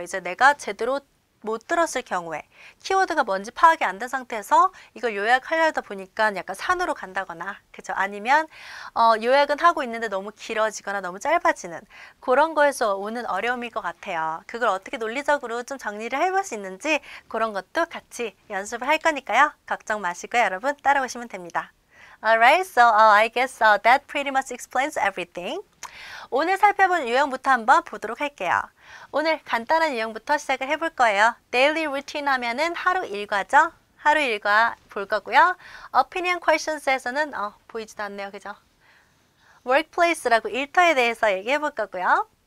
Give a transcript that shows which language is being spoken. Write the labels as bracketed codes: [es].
[ko] 이제 내가 제대로 못 들었을 경우에 키워드가 뭔지 파악이 안된 상태에서 이걸 요약하려다 보니까 약간 산으로 간다거나, 그죠? 아니면 요약은 하고 있는데 너무 길어지거나 너무 짧아지는 그런 거에서 오는 어려움일 것 같아요. 그걸 어떻게 논리적으로 좀 정리를 해볼 수 있는지 그런 것도 같이 연습을 할 거니까요. 걱정 마시고요, 여러분 따라오시면 됩니다. [en] Alright, so I guess that pretty much explains everything. [ko] 오늘 살펴본 유형부터 한번 보도록 할게요. 오늘 간단한 유형부터 시작을 해볼 거예요. Daily Routine 하면은 하루 일과죠? 하루 일과 볼 거고요. Opinion Questions에서는 보이지도 않네요, 그죠? Workplace라고 일터에 대해서 얘기해볼 거고요.